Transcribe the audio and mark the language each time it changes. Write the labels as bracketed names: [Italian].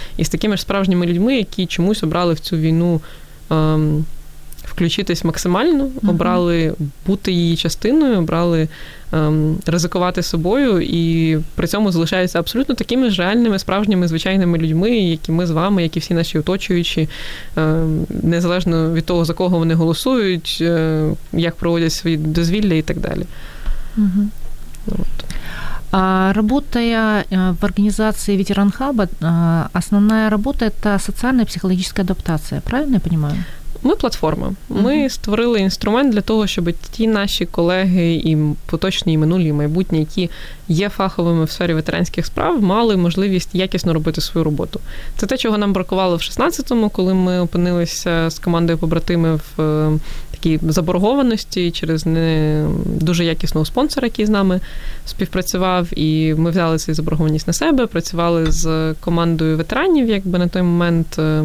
[Ukrainian] І з такими ж справжніми людьми, які чомусь обрали в цю війну включитись максимально, обрали бути її частиною, обрали ризикувати собою, і при цьому залишаються абсолютно такими ж реальними, справжніми, звичайними людьми, які ми з вами, які всі наші оточуючі, незалежно від того, за кого вони голосують, як проводять свої дозвілля і так далі. [Russian] Работая в организации «Ветеран Хаба», основная работа – это социальная и психологическая адаптация, правильно я понимаю? [Ukrainian] Ми платформа. Ми створили інструмент для того, щоб ті наші колеги і поточні, і минулі, і майбутні, які є фаховими в сфері ветеранських справ, мали можливість якісно робити свою роботу. Це те, чого нам бракувало в 16-му, коли ми опинилися з командою побратими в такій заборгованості через не дуже якісного спонсора, який з нами співпрацював, і ми взяли цю заборгованість на себе, працювали з командою ветеранів, якби на той момент